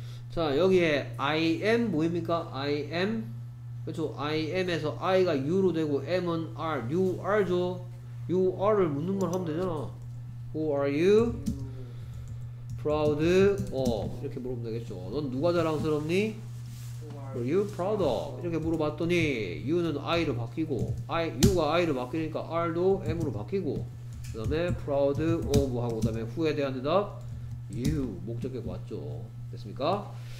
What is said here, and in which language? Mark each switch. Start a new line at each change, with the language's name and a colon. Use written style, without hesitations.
Korean: 자, 여기에 I am 뭐입니까?
English: I am? 그렇죠.
Korean: I am에서 I가 U로 되고 M은 R.
English: You are죠.
Korean: You are를 묻는 말 하면 되잖아.
English: Who are you? Proud of.
Korean: 이렇게 물어보면 되겠죠. 넌 누가 자랑스럽니?
English: Who are you proud of?
Korean: 이렇게 물어봤더니 U는 I로 바뀌고 U가 I로 바뀌니까 R도 M으로 바뀌고 그 다음에 proud of 하고 그 다음에 who에 대한 대답 You. 목적격 맞죠. 됐습니까?